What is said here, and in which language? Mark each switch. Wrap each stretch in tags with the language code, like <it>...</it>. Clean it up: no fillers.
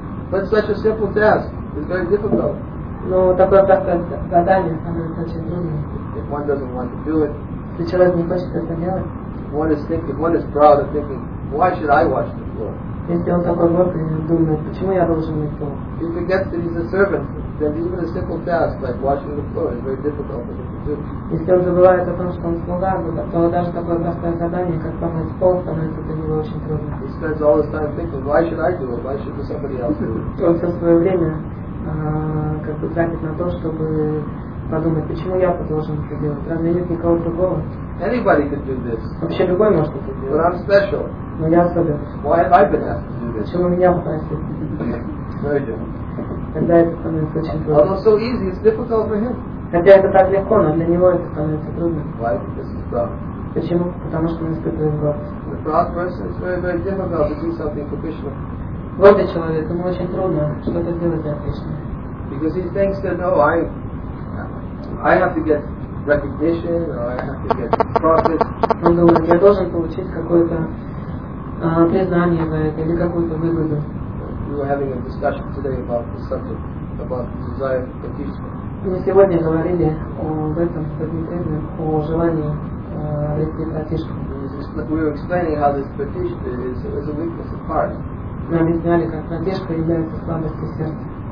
<en>But such a simple task is very difficult.</en> <ru>Но такое простое задание, оно очень трудное.</ru> <en>If one doesn't want to do it,</en> <ru>если человек не хочет это делать,</ru> <en>one is thinking, one is proud of thinking, why should I wash the floor?</en> <ru>Если он такой гордый, думает, почему я должен мыть пол?</ru> <en>He forgets that he's a servant. That even a simple task like washing the floor is very difficult for him to do.</en> <ru>Если он забывает о том, что он слуга, то даже такое простое задание, как помыть пол, становится для него очень трудно.</ru> <en>He spends all his time thinking, why should I do it? Why should somebody else do it?</en> <ru>Он все свое время как бы тратит на то, чтобы подумать, почему я должен это делать? Разве нет никого другого?</ru> <en>Anybody could do this.</en> <ru>Вообще любой может это делать.</ru> <en>But I'm special.</en> <ru>Но я особен.</ru> <en>Why have I been asked to do this?</en> <ru>Почему меня попросили? Тогда это становится очень трудно.</ru> <en>Although so easy, it's difficult for him.</en> <ru>Хотя это так легко, но для него это становится трудным.</ru> <en>Why? Because he's proud.</en> <ru>Почему? Потому что он испытывает гордость.</ru> <en>The proud person is very, very difficult to do something for Krishna.</en> <ru>Гордый человек, ему очень трудно что-то делать для Кришны.</ru> <en>Because he thinks that, no, I have to get recognition, or I have to get profit.</en> <ru>Он думает, я должен получить какое-то признание за это или какую-то выгоду.</ru> <en>We were having a discussion today about the subject, about the desire for Krishna.</en> <ru>Мы сегодня говорили об этом предмете, о желании обрести Пратишку.</ru> <en>We were explaining how this Пратишка is a weakness of heart.</en> <ru>Мы объясняли, как Пратишка является слабостью сердца.</ru>